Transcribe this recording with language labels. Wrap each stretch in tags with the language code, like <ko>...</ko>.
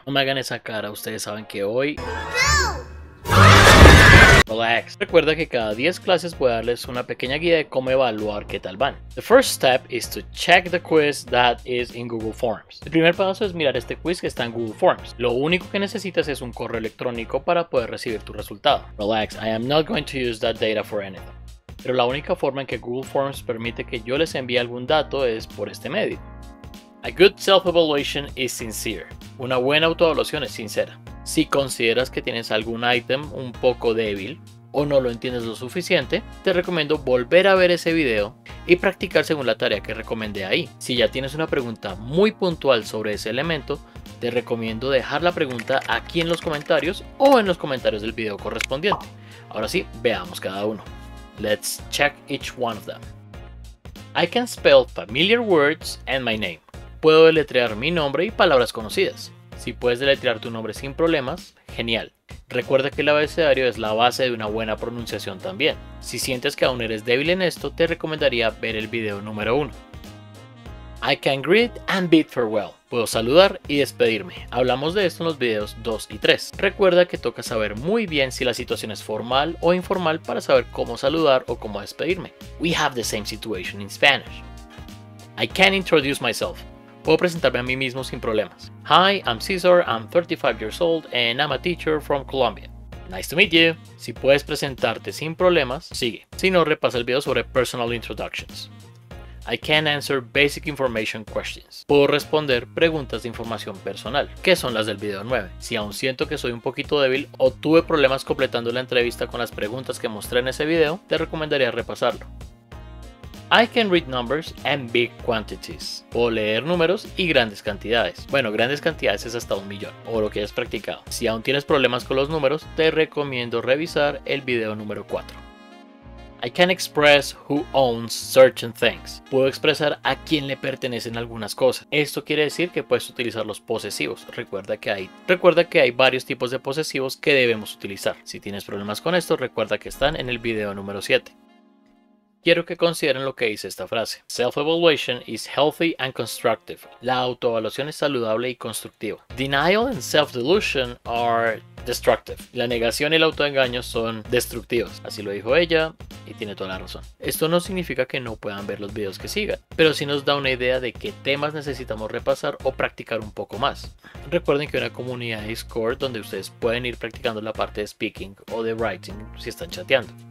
<es>No me hagan esa cara, ustedes saben que hoy... Relax. Recuerda que cada 10 clases voy a darles una pequeña guía de cómo evaluar qué tal van.</es> <en>The first step is to check the quiz that is in Google Forms.</en> <es>El primer paso es mirar este quiz que está en Google Forms. Lo único que necesitas es un correo electrónico para poder recibir tu resultado.</es> <en>Relax, I am not going to use that data for anything.</en> <es>Pero la única forma en que Google Forms permite que yo les envíe algún dato es por este medio.</es> <en>A good self-evaluation is sincere.</en> <es>Una buena autoevaluación es sincera. Si consideras que tienes algún ítem un poco débil o no lo entiendes lo suficiente, te recomiendo volver a ver ese video y practicar según la tarea que recomendé ahí. Si ya tienes una pregunta muy puntual sobre ese elemento, te recomiendo dejar la pregunta aquí en los comentarios o en los comentarios del video correspondiente. Ahora sí, veamos cada uno.</es> <en>Let's check each one of them. I can spell familiar words and my name.</en> <es>Puedo deletrear mi nombre y palabras conocidas. Si puedes deletrear tu nombre sin problemas, genial. Recuerda que el abecedario es la base de una buena pronunciación también. Si sientes que aún eres débil en esto, te recomendaría ver el video número 1.</es> <en>I can greet and bid farewell.</en> <es>Puedo saludar y despedirme. Hablamos de esto en los videos 2 y 3. Recuerda que toca saber muy bien si la situación es formal o informal para saber cómo saludar o cómo despedirme.</es> <en>We have the same situation in Spanish. I can introduce myself.</en> <es>Puedo presentarme a mí mismo sin problemas.</es> <en>Hi, I'm Cesar, I'm 35 years old and I'm a teacher from Colombia. Nice to meet you.</en> <es>Si puedes presentarte sin problemas, sigue. Si no, repasa el video sobre</es> <en>personal introductions. I can answer basic information questions.</en> <es>Puedo responder preguntas de información personal, que son las del video 9. Si aún siento que soy un poquito débil o tuve problemas completando la entrevista con las preguntas que mostré en ese video, te recomendaría repasarlo.</es> <en>I can read numbers and big quantities.</en> <es>Puedo leer números y grandes cantidades. Bueno, grandes cantidades es hasta 1 millón, o lo que hayas practicado. Si aún tienes problemas con los números, te recomiendo revisar el video número 4.</es> <en>I can express who owns certain things.</en> <es>Puedo expresar a quién le pertenecen algunas cosas. Esto quiere decir que puedes utilizar los posesivos. Recuerda que hay varios tipos de posesivos que debemos utilizar. Si tienes problemas con esto, recuerda que están en el video número 7. Quiero que consideren lo que dice esta frase.</es> <en>Self-evaluation is healthy and constructive.</en> <es>La autoevaluación es saludable y constructiva.</es> <en>Denial and self-delusion are destructive.</en> <es>La negación y el autoengaño son destructivos. Así lo dijo ella y tiene toda la razón. Esto no significa que no puedan ver los videos que sigan, pero sí nos da una idea de qué temas necesitamos repasar o practicar un poco más. Recuerden que hay una comunidad de Discord donde ustedes pueden ir practicando la parte de speaking o de writing si están chateando.</es>